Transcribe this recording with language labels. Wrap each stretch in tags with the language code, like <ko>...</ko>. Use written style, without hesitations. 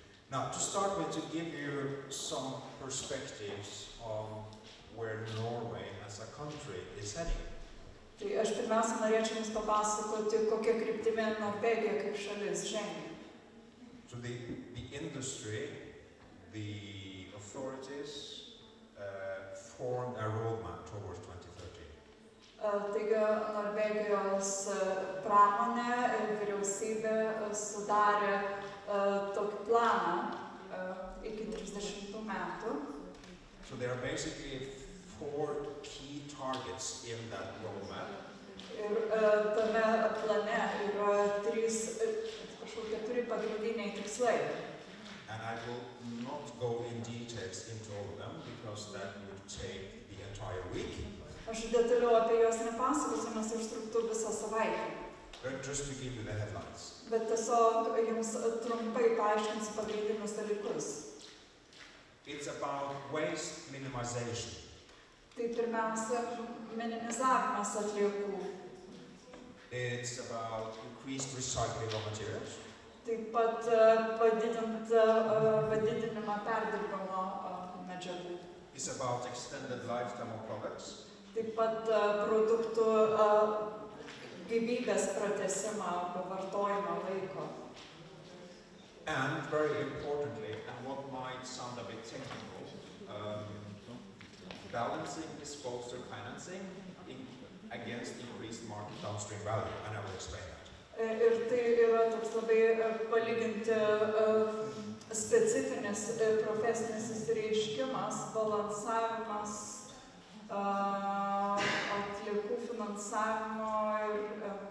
<en>Now, to start with, to give you some perspectives on where Norway as a country is heading.</en> <lt>Tai aš pirmiausia norėčiau jums papasakoti, kokia kryptime Norvegija kaip šalis žengia.</lt> <en>So the industry, the authorities formed a roadmap towards 2030.</en> <lt>Taigi Norvegijos pramonė ir vyriausybė sudarė tokį planą iki 30 metų.</lt> <en>So there are basically four key targets in that roadmap.</en> <lt>Ir tame plane yra keturi pagrindiniai tikslai.</lt> <en>And I will not go in details into all of them because that would take the entire week.</en> <lt>Aš detaliau apie juos nepasakosiu, nes užtruktų visą savaitę.</lt> <en>But just to give you the headlines.</en> <lt>Bet tiesiog jums trumpai paaiškinsiu pagrindinius dalykus.</lt> <en>It's about waste minimization.</en> <lt>Tai pirmiausia minimizavimas atliekų.</lt> <en>It's about increased recycling of materials.</en> <lt>Taip pat padidinimą perdirbamo medžiagų.</lt> <en>It's about extended lifetime of products.</en> <lt>Taip pat produktų gyvybės pratesimą pavartojimo laiko.</lt> <en>And very importantly, and what might sound a bit technical, balancing disposal financing against increased market downstream value, and I will explain that.</en> <lt>Ir tai yra toks labai palyginti specifinis profesinis išsireiškimas, balansavimas atliekų finansavimo ir...</lt>